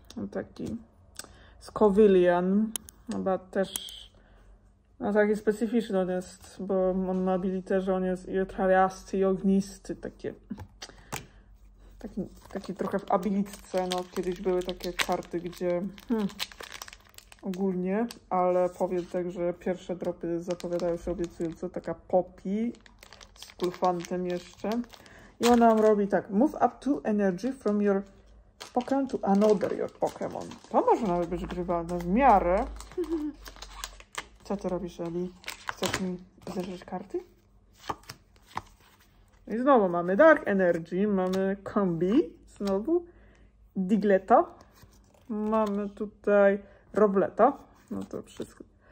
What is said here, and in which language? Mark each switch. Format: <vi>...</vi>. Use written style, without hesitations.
<pl>taki Scovillian, chyba też no taki specyficzny on jest, bo on ma abilitę, że on jest i otrawiasty, i ognisty, takie taki trochę w abilitce, no kiedyś były takie karty, gdzie ogólnie, ale powiem tak, że pierwsze dropy zapowiadają się obiecująco, taka Poppy z Kulfantem jeszcze. I ona robi tak,</pl> <en>move up two energy from your Pokemon to another your Pokemon.</en> <pl>To może nawet być grywalne w miarę. Co ty robisz, Eli? Chcesz mi zerzeć karty? I znowu mamy Dark Energy, mamy Combi, znowu Digletto, mamy tutaj Robletto, no to wszystko.</pl>